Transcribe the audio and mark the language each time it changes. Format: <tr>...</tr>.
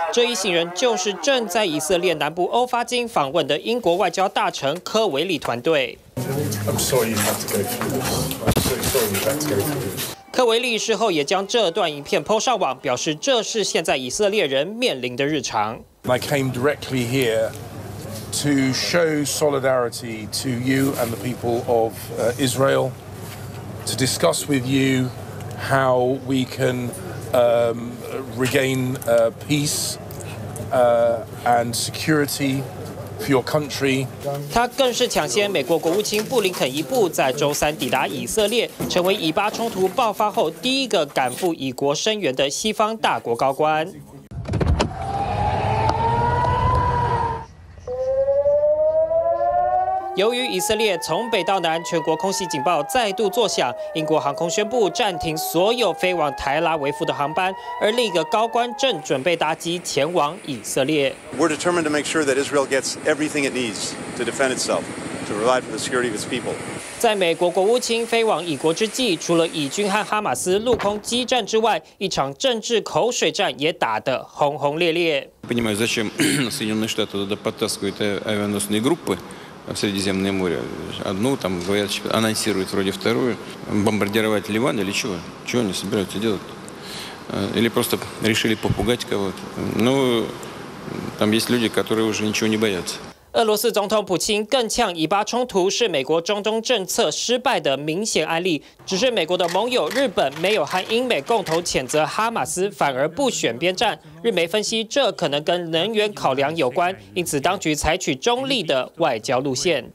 <zh>这一行人就是正在以色列南部欧发金访问的英国外交大臣科维利团队。科维利事后也将这段影片PO上网，表示这是现在以色列人面临的日常。</zh> <en>I came directly here to show solidarity to you and the people of Israel, to discuss with you. How we can regain peace and security for your country.</en> <zh>他更是抢先美国国务卿布林肯一步，在周三抵达以色列，成为以巴冲突爆发后第一个赶赴以国声援的西方大国高官。由于以色列从北到南全国空袭警报再度作响，英国航空宣布暂停所有飞往台拉维夫的航班，而另一个高官正准备搭机前往以色列。</zh> <en>We're determined to make sure that Israel gets everything it needs to defend itself, to provide for the security of its people.</en> <zh>在美国国务卿飞往以国之际，除了以军和哈马斯陆空激战之外，一场政治口水战也打得轰轰烈烈。</zh> <ru>Я понимаю, зачем Соединенные Штаты туда подтаскивают авианосные группы? В Средиземное море. Одну там говорят, анонсируют вроде вторую. Бомбардировать Ливан или чего? Чего они собираются делать? Или просто решили попугать кого-то? Ну, там есть люди, которые уже ничего не боятся.</ru> <zh>俄罗斯总统普京更呛以巴冲突是美国中东政策失败的明显案例，只是美国的盟友日本没有和英美共同谴责哈马斯，反而不选边站。日媒分析，这可能跟能源考量有关，因此当局采取中立的外交路线。</zh>